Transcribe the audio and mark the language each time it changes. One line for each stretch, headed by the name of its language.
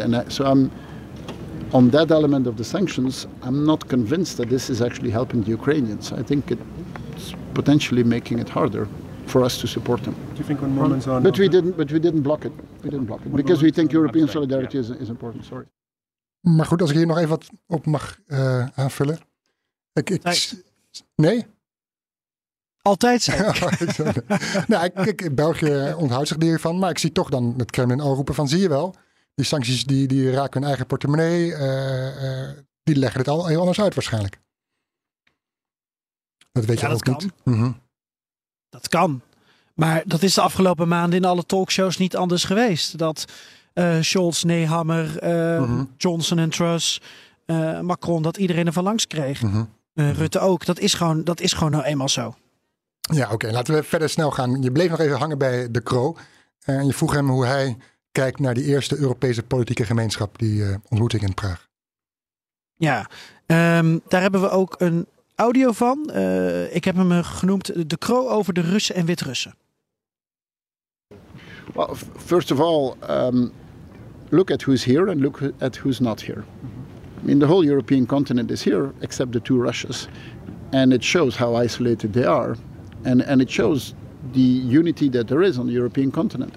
English: And so I'm on that element of the sanctions, I'm not convinced that this is actually helping the Ukrainians. I think it's potentially making it harder for us to support them. Do you think when moments are... But we didn't block it. We didn't block it. Because we think European solidarity is important. Sorry.
Dutch: Maar goed, als ik hier nog even wat op mag aanvullen. Nee? Altijd zeker. België onthoudt zich hiervan. Maar ik zie toch dan het Kremlin al roepen van, zie je wel. Die sancties die raken hun eigen portemonnee. Die leggen het al heel anders uit waarschijnlijk. Dat weet je ook niet. Dat kan. Maar dat is de afgelopen maanden in alle talkshows niet anders geweest. Dat... Scholz, Nehammer, Johnson en Truss, Macron, dat iedereen ervan langs kreeg. Rutte ook. Dat is gewoon nou eenmaal zo. Ja, oké. Okay. Laten we verder snel gaan. Je bleef nog even hangen bij de Croo. En je vroeg hem hoe hij kijkt naar die eerste Europese politieke gemeenschap, die ontmoeting in Praag. Ja, daar hebben we ook een audio van. Ik heb hem genoemd de Croo over de Russen en Wit-Russen.
English: Well, first of all, look at who's here and look at who's not here. I mean, the whole European continent is here, except the two Russias. And it shows how isolated they are. And it shows the unity that there is on the European continent.